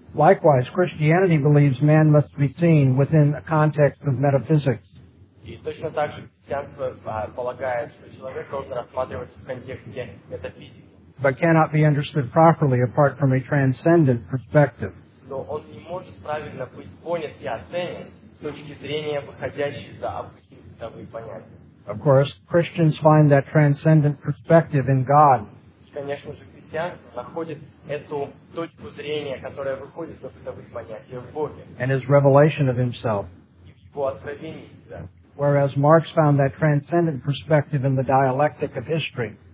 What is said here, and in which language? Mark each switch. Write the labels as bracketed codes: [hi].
[en] Likewise, Christianity believes man must be seen within a context of metaphysics. [ru] И точно так же христианство полагает, что человек должен рассматриваться в контексте метафизики. [en] But cannot be understood properly apart from a transcendent perspective. [ru] Но он не может правильно быть понят и оценен с точки зрения выходящей за обычные понятия. [en] Of course, Christians find that transcendent perspective in God. [ru] Конечно же, христианство находит эту точку зрения, которая выходит за бытовые понятия в Боге. [en] And his revelation of himself. [ru] И в его откровении себя. [en] Whereas Marx found that transcendent perspective in the dialectic of history.